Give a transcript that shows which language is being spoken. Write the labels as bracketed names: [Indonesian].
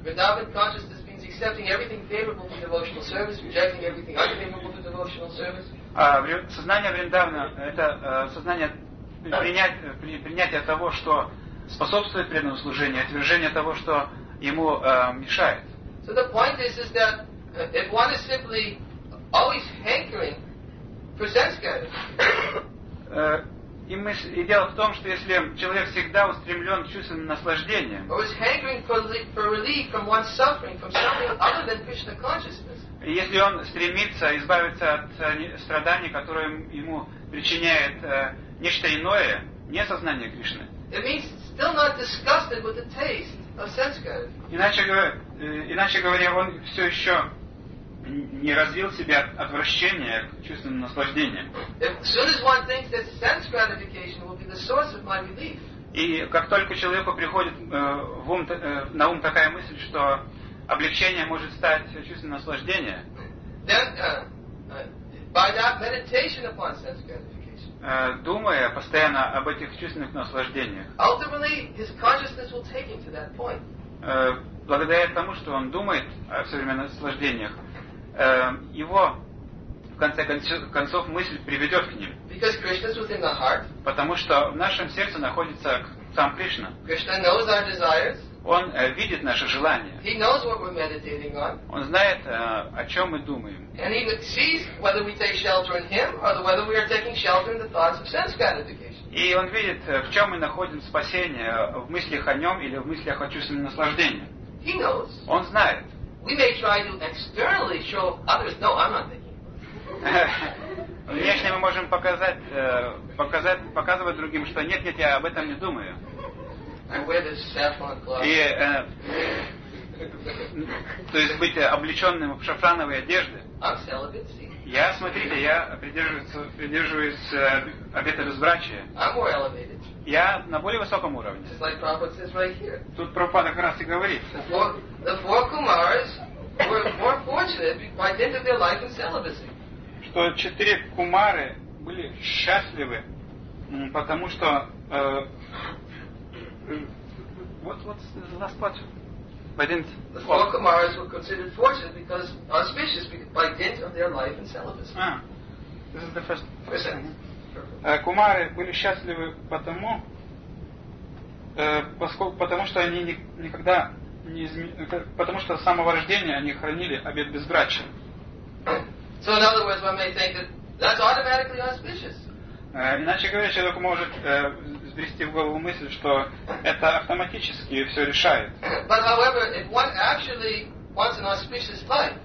[English] Vrindavan consciousness means accepting everything favorable to devotional service, rejecting everything unfavorable to devotional service. [Russian] Сознание Вриндавана это сознание принятие того, что способствует преданному служению, отвержение того, что ему мешает. [English] So the point is that if one is simply always hankering for sense gathering. [Russian] И дело в том, что если человек всегда устремлен к чувственным наслаждениям, [English] or is hankering for relief from one's suffering from something other than Krishna consciousness. [Russian] Если он стремится избавиться от страданий, которые ему причиняет нечто иное, не сознание Кришны. [English] It means still not disgusted with the taste of sense gratification. [Russian] Иначе говоря, он все еще не развил в себе отвращение к чувственным наслаждениям. [English] As soon as one thinks that sense gratification will be the source of my relief. [Russian] И как только человеку приходит на ум такая мысль, что облегчение может стать чувственным наслаждением, [English] then, by that meditation upon sense gratification. [Russian] Думая постоянно об этих чувственных наслаждениях. [English] Ultimately, his consciousness will take him to that point. [Russian] Благодаря тому, что он думает о современных наслаждениях, его, в конце концов, мысль приведет к ним. [English] Because Krishna's within the heart. [Russian] Потому что в нашем сердце находится сам Кришна. [English] Krishna knows our desires. [Russian] Он видит наши желания. [English] He knows what we're meditating on. [Russian] Он знает, о чем мы думаем. [English] And he sees whether we take shelter in him or whether we are taking shelter in the thoughts of sense gratification. [Russian] И он видит, в чем мы находим спасение, в мыслях о нем или в мыслях о чувственном наслаждении. [English] He knows. [Russian] Он знает. [English] We may try to externally show others, no, I'm not thinking. [Russian] Внешне мы можем показывать другим, что нет, я об этом не думаю. [English] I wear this saffron cloth. [Russian] И, то есть быть облеченным в шафрановые одежды. [English] I'm celibate, see? [Russian] Я, смотрите, я придерживаюсь обета безбрачия. [English] I'm more elevated. [Russian] Я на более высоком уровне. [English] Just like Prabhupada says right here. [Russian] Тут Прабхупада как раз и говорит. [English] The four kumaras were more fortunate by dint of their life in celibacy. [Russian] Что четыре кумары были счастливы, потому что [English] what's the last part? By dint. The four kumaras were considered fortunate because auspicious by dint of their life in celibacy. This is the first sentence. [Russian] Кумары были счастливы потому что с самого рождения они хранили обет безбрачия. [English] So in other words, one may think that that's automatically auspicious. [Russian] Иначе говоря, человек может взбрести в голову мысль, что это автоматически все решает. [English] But however, if one actually wants an auspicious life,